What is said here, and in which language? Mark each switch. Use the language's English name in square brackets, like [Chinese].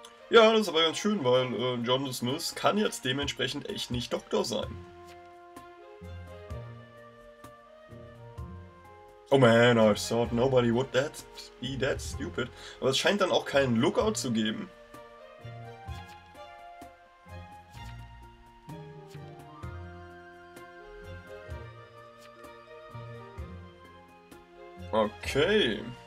[German] Ja, das ist aber ganz schön, weil John Smith kann jetzt dementsprechend echt nicht Doktor sein. [English] Oh man, I thought nobody would that be that stupid. [German] Aber es scheint dann auch keinen Lookout zu geben. Okay.